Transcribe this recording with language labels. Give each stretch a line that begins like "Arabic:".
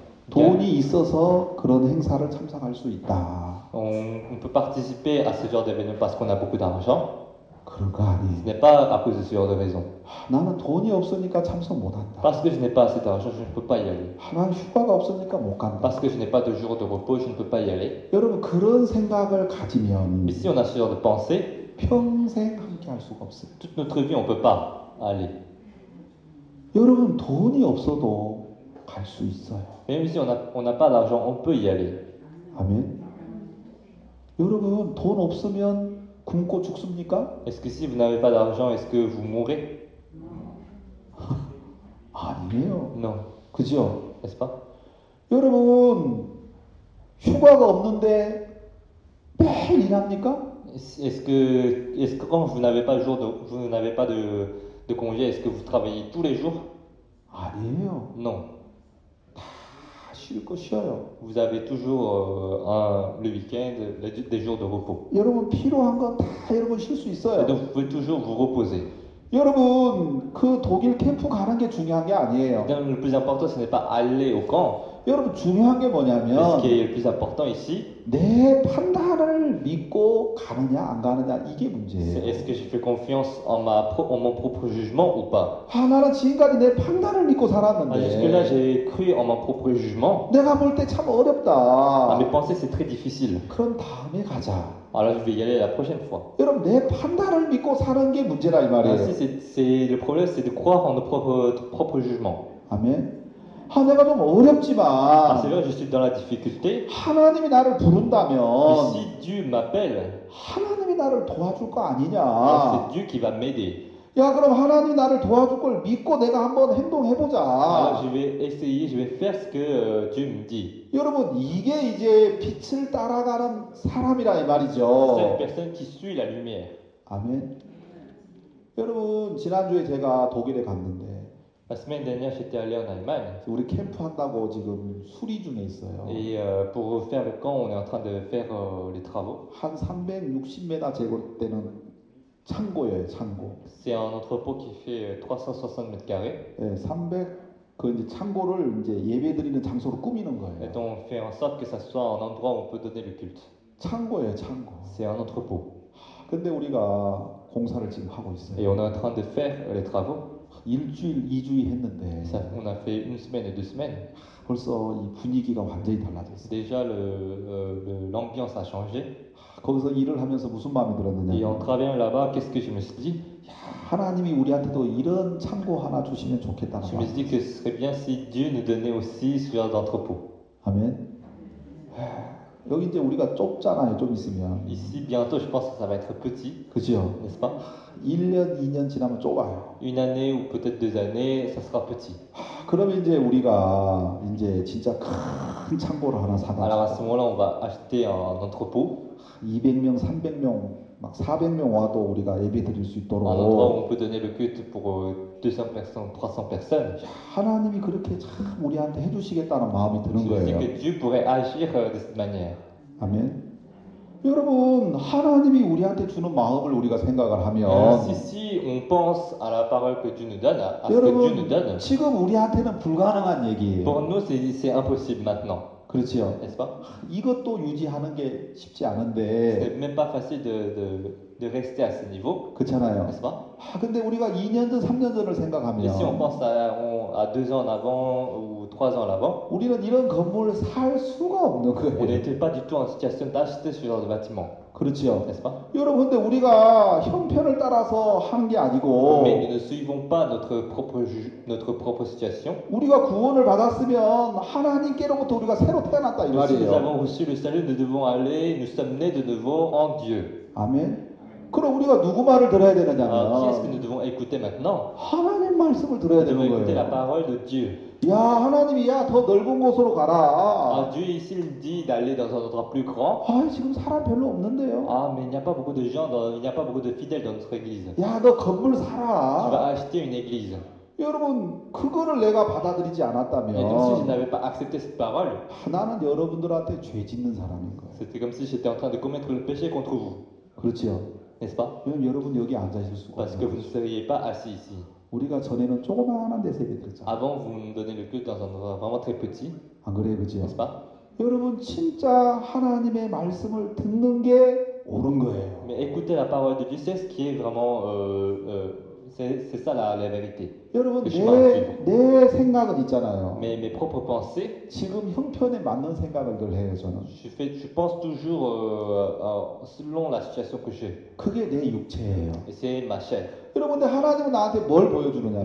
Korean: 돈이 있어서 그런 행사를 참석할 수 있다.
French: On peut participer à ce genre d'événement parce qu'on a beaucoup d'argent.
Korean: 그런 거 아니에요.
French: Ce n'est pas à cause de ce genre de raison.
Korean: 나는 돈이 없으니까 참석 못 한다.
French: Parce que je n'ai pas assez d'argent, je ne peux pas y aller.
Korean: 난 휴가가 없으니까 못 간다.
French: Parce que je n'ai pas de jour de repos, je ne peux pas y aller.
Korean: 여러분 그런 생각을 가지면
French: Mais si on a ce genre de pensée,
Korean: 평생 함께 할 수가 없어.
French: Toute notre vie, on peut pas aller.
Korean: 여러분 돈이 없어도 갈 수 있어요.
French: Même si on a pas d'argent, on peut y aller.
Korean: 아멘. 여러분 돈 없으면 굶고 죽습니까?
French: Est-ce que si vous n'avez pas d'argent, est-ce que vous mourrez?
Korean: 아니에요.
French: Non.
Korean: 그죠?
French: N'est-ce pas?
Korean: 여러분 휴가가 없는데 매일 일합니까?
French: Est-ce que quand vous n'avez pas de congé, est-ce que vous travaillez tous les jours?
Korean: 아니에요.
French: Non.
Korean: 쉴거 쉬어요.
French: Vous avez toujours le week-end, des jours de repos.
Korean: 여러분 필요한 건 다 여러분 쉴 수 있어요.
French: Donc vous pouvez toujours vous reposer.
Korean: 여러분 그 독일 캠프 가는 게 중요한 게 아니에요.
French: Donc le plus important ce n'est pas aller au camp.
Korean: 여러분 중요한 게 뭐냐면
French: Ce qui est le plus important ici
Korean: 내 판단을 믿고 가느냐 안 가느냐 이게 문제예요.
French: Est-ce que je fais confiance en mon propre jugement ou pas?
Korean: 아, 나는 지금까지 내 판단을 믿고 살았는데.
French: Jusque-là, j'ai cru en mon propre jugement.
Korean: 내가 볼 때 참 어렵다.
French: Mes pensées, c'est très difficile.
Korean: 그럼 다음에 가자.
French: Alors, je vais y aller la prochaine fois.
Korean: 여러분, 내 판단을 믿고 사는 게 문제라 이 말이에요.
French: Ainsi, le problème, c'est de croire en notre propre jugement.
Korean: 아멘. 하나가 좀 어렵지만
French: Parce que là, je suis dans la difficulté.
Korean: 하나님이 나를 부른다면
French: Mais si Dieu m'appelle,
Korean: 하나님이 나를 도와줄 거
French: Alors, c'est Dieu qui va m'aider.
Korean: 야, 그럼 하나님이 나를 도와줄 걸 믿고 내가 한번 행동해 보자.
French: Alors, je vais essayer, je vais faire ce que Dieu me dit.
Korean: 여러분, 이게 이제 빛을 따라가는 사람이라 이
French: Cette
Korean: 말이죠.
French: personne qui suit la lumière.
Korean: 아멘. 여러분, 지난주에 제가 독일에 갔는데
French: La semaine dernière, j'étais allé en Allemagne.
Korean: 우리 캠프 한다고 지금 수리 중에 있어요.
French: Et pour faire le camp, on est en train de faire les travaux.
Korean: 한 360m 제곱대는 창고예요, 창고.
French: C'est un entrepôt qui fait 360 mètres carrés.
Korean: 예, 300, 그 이제 창고를 이제 예배 드리는 장소로 꾸미는
French: Et donc, on fait en sorte que ça soit un endroit où on peut donner le culte.
Korean: 창고예요, 창고.
French: C'est un entrepôt.
Korean: 근데 우리가 공사를 지금 하고
French: Et on est en train de faire les travaux.
Korean: 일주일, 이주일 했는데
French: Ça, on a fait une semaine et deux semaines.
Korean: 벌써 이 분위기가 완전히 달라졌어.
French: Déjà, l'ambiance a changé.
Korean: 거기서 일을 하면서 무슨 마음이
French: Et en
Korean: 들었느냐면,
French: travaillant là-bas, qu'est-ce que je me suis dit?
Korean: 하나님이 우리한테도 이런 창고 하나 주시면 좋겠다는
French: Je me suis dit que ce serait bien si Dieu nous donnait aussi ce genre d'entrepôt.
Korean: 아멘. 여기 이제 우리가 좁잖아요, 좀 있으면.
French: Ici, bientôt, je pense que ça va être petit.
Korean: 그죠?
French: N'est-ce pas?
Korean: 1년, 2년 지나면 좁아요.
French: Une année ou peut-être deux années, ça sera petit.
Korean: 그러면 이제 우리가 이제 진짜 큰 창고를 하나
French: Alors, à ce moment-là, on va acheter un entrepôt.
Korean: 200명, 300명, 막 400명 와도 우리가 예배 드릴 수 있도록.
French: Un endroit où on peut donner le culte pour 200 personnes, 300 personnes.
Korean: 하나님이 그렇게 참 우리한테 해주시겠다는 마음이 드는
French: Je
Korean: 거예요.
French: Je pense que Dieu pourrait agir de cette manière.
Korean: 아멘. 여러분, 하나님이 우리한테 주는 마음을 우리가 생각을 하면
French: Si on pense à la parole que Dieu nous donne, à ce que
Korean: 여러분,
French: Dieu nous donne,
Korean: 지금 우리한테는 불가능한 얘기예요.
French: Pour nous, c'est impossible maintenant.
Korean: 그렇지요.
French: N'est-ce pas?
Korean: 이것도 유지하는 게 쉽지 않은데.
French: C'est même pas facile de rester à ce niveau.
Korean: 그렇잖아요.
French: N'est-ce pas?
Korean: 아, 근데 우리가 2년 전, 3년 전을 생각하면
French: Et si on pense à 2 ans en avant ou 3 ans en avant,
Korean: 우리는 이런 건물을 살 수가 없는 거예요.
French: On n'était pas du tout en situation d'acheter ce genre de bâtiment.
Korean: 그렇지요.
French: N'est-ce pas?
Korean: 여러분, 근데 우리가 형편을 따라서 한게 아니고,
French: Mais nous ne suivons pas notre propre situation.
Korean: 우리가 구원을 받았으면 하나님께로부터 우리가 새로 태어났다 이
French: Si nous avons reçu le salut, nous devons aller, nous sommes nés de nouveau en Dieu.
Korean: 아멘. 그럼 우리가 누구 말을 들어야 되느냐면,
French: Qui est-ce que nous devons écouter maintenant?
Korean: 하나님 말씀을 들어야
French: nous
Korean: 되는
French: devons
Korean: 거예요.
French: écouter la parole de Dieu.
Korean: 야, 하나님이야, 더 넓은 곳으로 가라.
French: Ah, Dieu ici dit d'aller dans un endroit plus grand.
Korean: 아, 지금 사람 별로 없는데요.
French: Ah, mais il n'y a pas beaucoup de gens, il n'y a pas beaucoup de fidèles dans notre église.
Korean: 야, 너 건물 사라.
French: Tu vas acheter une église.
Korean: 여러분, 그거를 내가 받아들이지 않았다면,
French: Et donc, si je n'avais pas accepté cette parole,
Korean: 나는 여러분들한테 죄 짓는 사람인 거예요.
French: C'était comme si j'étais en train de commettre le péché contre vous.
Korean: 그렇지요.
French: N'est-ce pas?
Korean: 왜냐면 여러분 여기 앉아있을 수가
French: Parce
Korean: 없어요.
French: que vous ne seriez pas assis ici.
Korean: 우리가 전에는 조그마한 데서 예배드렸죠.
French: Avant, vous me donnez le culte dans un endroit vraiment très petit.
Korean: 안 그래요, 그죠?
French: N'est-ce pas?
Korean: 여러분, 진짜 하나님의 말씀을 듣는 게 옳은 거예요.
French: Mais écouter la parole de Dieu, c'est ce qui est vraiment. C'est ça la vérité.
Korean: 여러분, 내 생각은 있잖아요.
French: Mes propres pensées.
Korean: 지금 형편에 맞는 생각을 늘 해요, 저는.
French: Je pense toujours selon la situation que j'ai.
Korean: 그게 내 육체예요.
French: C'est ma chair.
Korean: 여러분, 근데 하나님은 나한테 뭘 보여주느냐면